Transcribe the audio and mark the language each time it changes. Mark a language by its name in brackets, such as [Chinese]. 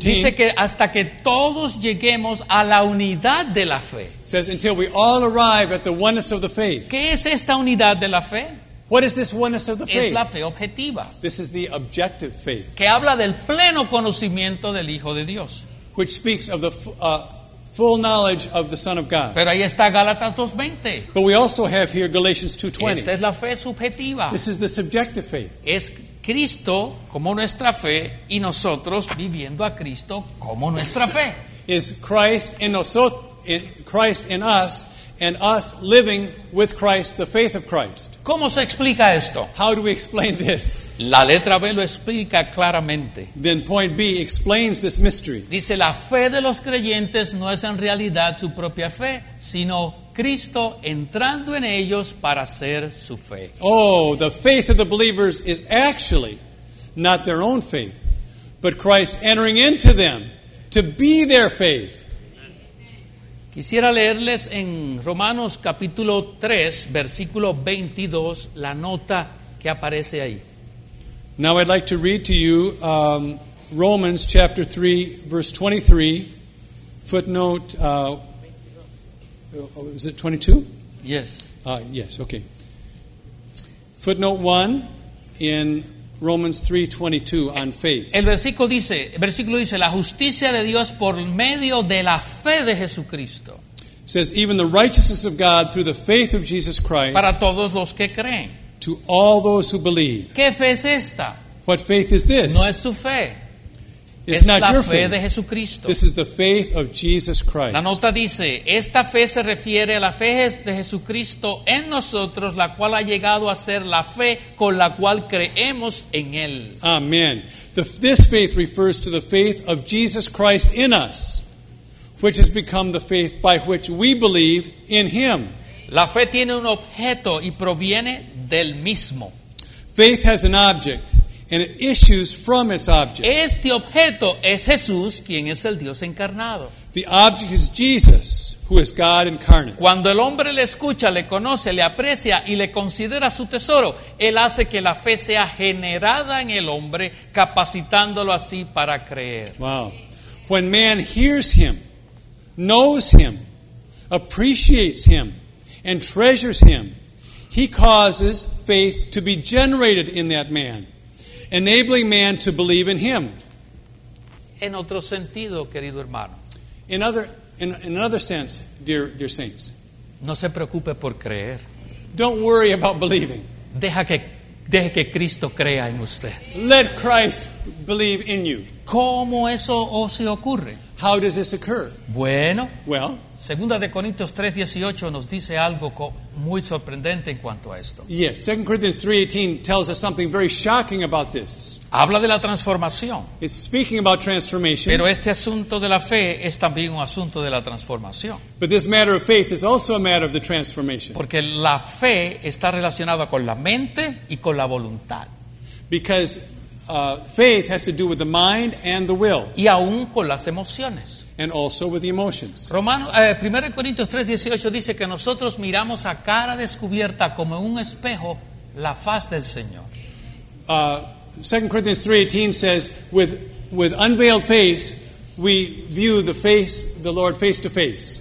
[Spanish] Dice que hasta que todos lleguemos a la unidad de la fe. [English] Says until we all arrive at the oneness of the faith. [Spanish] ¿Qué es esta unidad de la fe? [English] What is this oneness of the faith? [Spanish] Es la fe objetiva. [English] This is the objective faith. [Spanish] Que habla del pleno conocimiento del Hijo de Dios. [English] Which speaks of the full knowledge of the Son of God. [Spanish] Pero ahí está Gálatas 2:20. [English] But we also have here Galatians 2:20. [Spanish] Esta es la fe subjetiva. [English] This is the subjective faith. [Spanish] Es Cristo como nuestra fe y nosotros viviendo a Cristo como nuestra fe. [English] Is Christ in us and us living with Christ, the faith of Christ. [Spanish] ¿Cómo se explica esto? [English] How do we explain this? [Spanish] La letra B lo explica claramente. [English] Then point B explains this mystery. [Spanish] Dice, la fe de los creyentes no es en realidad su propia fe, sino Cristo entrando en ellos para ser su fe. [English] Oh, the faith of the believers is actually not their own faith, but Christ entering into them to be their faith. [Spanish] Quisiera leerles en Romanos capítulo 3, versículo 22, la nota que aparece ahí. [English] Now I'd like to read to you Romans chapter 3, verse 23, footnote, is it 22? Yes. Yes, okay. Footnote 1 in Romans 3:22 on faith. [Spanish] El versículo dice la justicia de Dios por medio de la fe de Jesucristo. [English] Says even the righteousness of God through the faith of Jesus Christ. [Spanish] Para todos los que creen. [English] To all those who believe. [Spanish] ¿Qué fe es esta? [English] What faith is this? [Spanish] No es su fe. [English] It's not your faith. [Spanish] Es la fe de Jesucristo. [English] This is the faith of Jesus Christ. [Spanish] La nota dice, esta fe se refiere a la fe de Jesucristo en nosotros, la cual ha llegado a ser la fe con la cual creemos en Él. [English] Amen. This faith refers to the faith of Jesus Christ in us, which has become the faith by which we believe in Him. [Spanish] La fe tiene un objeto y proviene del mismo. [English] Faith has an object and it issues from its object. [Spanish] Este objeto es Jesús, quien es el Dios encarnado. [English] The object is Jesus, who is God incarnate. [Spanish] Cuando el hombre le escucha, le conoce, le aprecia y le considera su tesoro, él hace que la fe sea generada en el hombre, capacitándolo así para creer. [English] Wow. When man hears him, knows him, appreciates him, and treasures him, he causes faith to be generated in that man, enabling man to believe in him. [Spanish] En otro sentido, querido hermano. [English] In another sense, dear saints. [Spanish] No se preocupe por creer. [English] Don't worry about believing. [Spanish] Deje que Cristo crea en usted. [English] Let Christ believe in you. [Spanish] ¿Cómo eso se ocurre? [English] How does this occur? [Spanish] Bueno. [English] Well. [Spanish] Segunda de Corintios 3:18 nos dice algo muy sorprendente en cuanto a esto. [English] Yes, 2 Corinthians 3:18 tells us something very shocking about this. [Spanish] Habla de la transformación. [English] It's speaking about transformation. [Spanish] Pero este asunto de la fe es también un asunto de la transformación. [English] But this matter of faith is also a matter of the transformation. [Spanish] Porque la fe está relacionada con la mente y con la voluntad. [English] Because faith has to do with the mind and the will. [Spanish] Y aún con las emociones. [English] And also with the emotions. [Spanish] Romano, 1 Corintios 3:18 dice que nosotros miramos a cara descubierta como en un espejo la faz del Señor. [English] 2 Corinthians 3:18 says with unveiled face we view the face the Lord face to face.